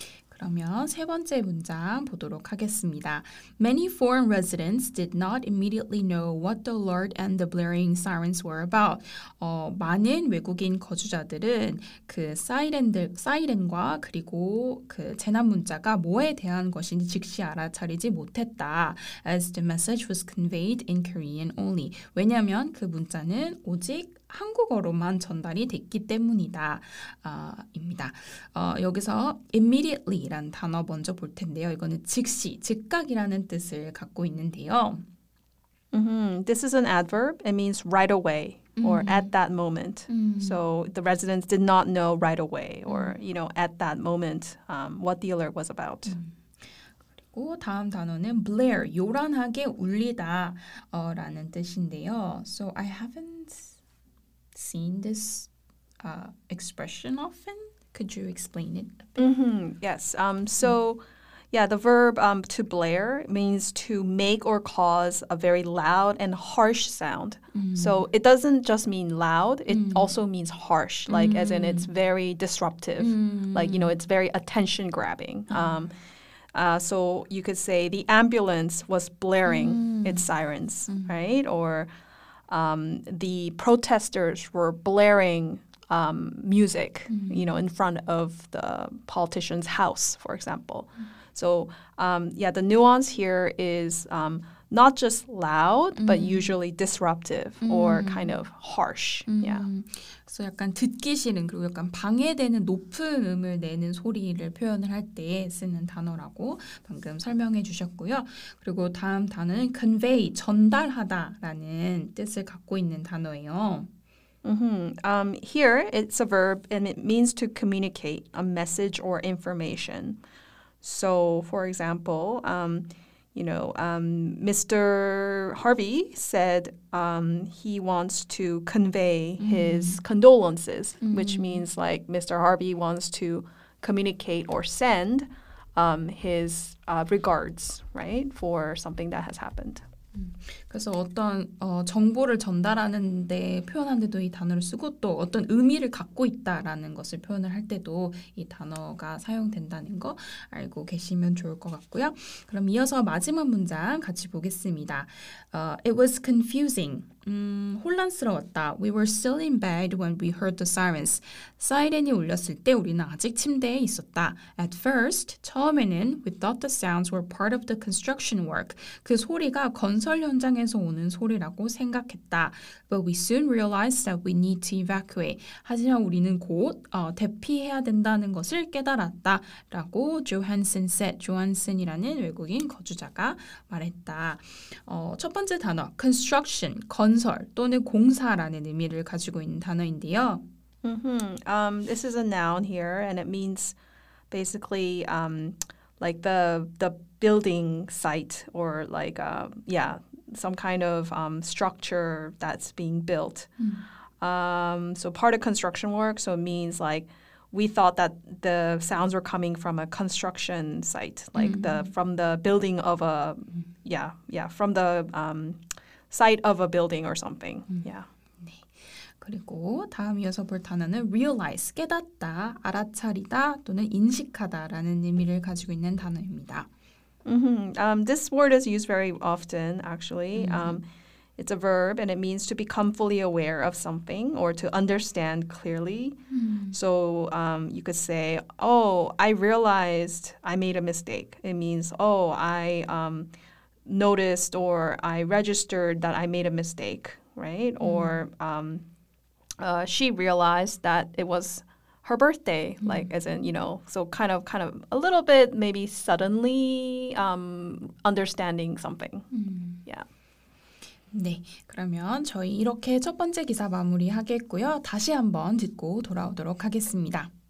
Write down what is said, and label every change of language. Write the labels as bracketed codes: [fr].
[ko] 그러면 세 번째 문장 보도록 하겠습니다. [en] Many foreign residents did not immediately know what the alert and the blaring sirens were about. [ko] 많은 외국인 거주자들은 그 사이렌과 그리고 그 재난 문자가 뭐에 대한 것인지 즉시 알아차리지 못했다. [en] As the message was conveyed in Korean only. [ko] 왜냐하면 그 문자는 오직 한국어로만 전달이 됐기 때문이다. 입니다. 여기서 immediately란 단어 먼저 볼 텐데요. 이거는 즉시, 즉각이라는 뜻을 갖고 있는데요. [en] Mm-hmm. This is an adverb. It means right away or mm-hmm. at that moment. Mm-hmm. So the residents did not know right away or, you know, at that moment what the alert was about. Mm-hmm. [ko] 그리고 다음 단어는 blare, 요란하게 울리다 라는 뜻인데요. [en] So I haven't seen this expression often. Could you explain it a bit? Mm-hmm. Yes. So... Mm-hmm. Yeah, the verb to blare means to make or cause a very loud and harsh sound. Mm. So it doesn't just mean loud, it also means harsh, like as in it's very disruptive. Like, you know, it's very attention grabbing. So you could say the ambulance was blaring its sirens, right? Or the protesters were blaring music, you know, in front of the politician's house, for example. So, yeah, the nuance here is not just loud, but usually disruptive or kind of harsh. Yeah. [ko] So 약간 듣기 싫은 그리고 약간 방해되는 높은 음을 내는 소리를 표현을 할 때 쓰는 단어라고 방금 설명해 주셨고요. 그리고 다음 단어는 convey, 전달하다라는 뜻을 갖고 있는 단어예요. Mm-hmm. [en] Here, it's a verb and it means to communicate a message or information. So, for example, you know, Mr. Harvey said he wants to convey his condolences, which means like Mr. Harvey wants to communicate or send his regards, right, for something that has happened. [ko] 그래서 어떤 정보를 전달하는 데 표현한 데도 이 단어를 쓰고 또 어떤 의미를 갖고 있다라는 것을 표현을 할 때도 이 단어가 사용된다는 거 알고 계시면 좋을 것 같고요. 그럼 이어서 마지막 문장 같이 보겠습니다. [en] It was confusing. [ko] 혼란스러웠다. [en] We were still in bed when we heard the sirens. [ko] 사이렌이 울렸을 때 우리는 아직 침대에 있었다. [en] At first, [ko] 처음에는 [en] we thought the sounds were part of the construction work. [ko] 그 소리가 건설 현장에서 오는 소리라고 생각했다. [en] But we soon realized that we need to evacuate. [ko] 하지만 우리는 곧 대피해야 된다는 것을 깨달았다. 라고 조한슨 said. 조한슨이라는 외국인 거주자가 말했다. 첫 번째 단어, construction, 건설 또는 공사라는 의미를 가지고 있는 단어인데요. [en] This is a noun here, and it means basically like the building site or like some kind of structure that's being built. So part of construction work. So it means like we thought that the sounds were coming from a construction site, like from the building of a from the site of a building or something. Yeah. [ko] 그리고 다음 이어서 볼 단어는 realize, 깨닫다, 알아차리다 또는 인식하다라는 의미를 가지고 있는 단어입니다. [en] This word is used very often, actually. It's a verb and it means to become fully aware of something or to understand clearly. So you could say, oh, I realized I made a mistake. It means, oh, I noticed or I registered that I made a mistake, right? Or... she realized that it was her birthday, like as in, you know, so kind of a little bit maybe suddenly understanding something. Yeah. [ko] 네, 그러면 저희 이렇게 첫 번째 기사 마무리하겠고요. 다시 한번 듣고 돌아오도록 하겠습니다.